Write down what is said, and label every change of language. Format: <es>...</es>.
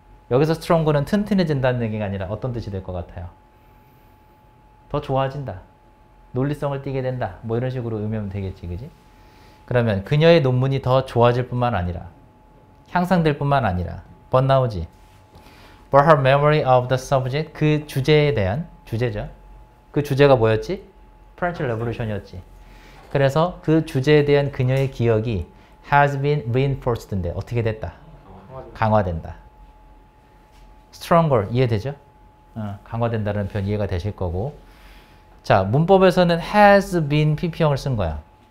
<ko>여기서 strong는 튼튼해진다는 얘기가 아니라 어떤 뜻이 될 것 같아요? 더 좋아진다. 논리성을 띠게 된다. 뭐 이런 식으로 의미하면 되겠지, 그지? 그러면 그녀의 논문이 더 좋아질 뿐만 아니라 향상될 뿐만 아니라 번 나오지?</ko> <en>For her memory of the subject,</en> <ko>그 주제에 대한 주제죠. 그 주제가 뭐였지? French Revolution이었지. 그래서 그 주제에 대한 그녀의 기억이</ko> <en>has been reinforced</en> <ko>인데 어떻게 됐다? 강화된다. Stronger, 이해되죠? 강화된다는 표현 이해가 되실 거고 자, 문법에서는 has been PP형을 쓴 거야.</ko>